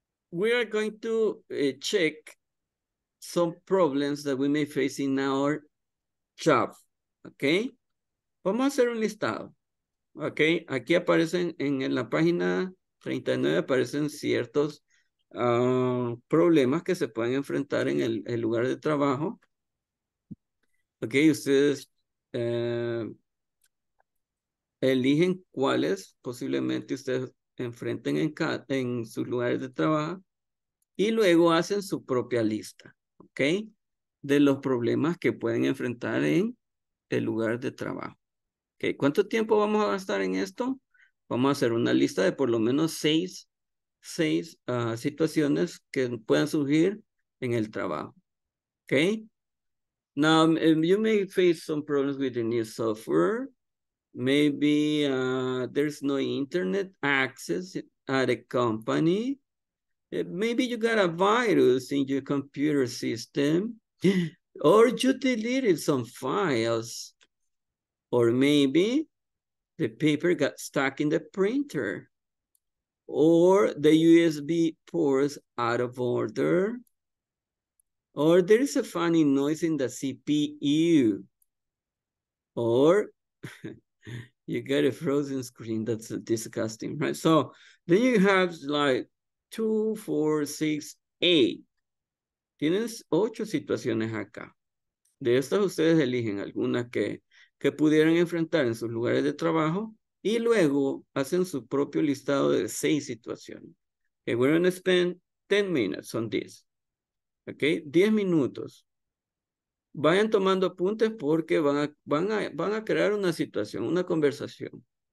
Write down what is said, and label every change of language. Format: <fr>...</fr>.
<en>We are going to check some problems that we may face in our job, okay?</en> <es>Vamos a hacer un listado, okay? Aquí aparecen en la página 39, aparecen ciertos problemas que se pueden enfrentar en el lugar de trabajo. Okay, ustedes eligen cuáles posiblemente ustedes enfrenten en sus lugares de trabajo. Y luego hacen su propia lista, ¿ok? De los problemas que pueden enfrentar en el lugar de trabajo. ¿Okay? ¿Cuánto tiempo vamos a gastar en esto? vamos a hacer una lista de por lo menos seis situaciones que puedan surgir en el trabajo.</es> <en>Okay. Now, you may face some problems with the new software. Maybe there's no internet access at a company. Maybe you got a virus in your computer system, or you deleted some files, or maybe the paper got stuck in the printer, or the USB ports out of order, or there is a funny noise in the CPU, or you get a frozen screen. That's disgusting, right? So then you have like 2, 4, 6, 8.</en> <es>Tienes 8 situaciones acá. De estas ustedes eligen alguna que pudieran enfrentar en sus lugares de trabajo y luego hacen su propio listado de 6 situaciones.</es> <en>Okay, we're going to spend 10 minutes on this.</en> <es>Okay, 10 minutos. Vayan tomando apuntes porque van a crear una situación, una conversación.</es>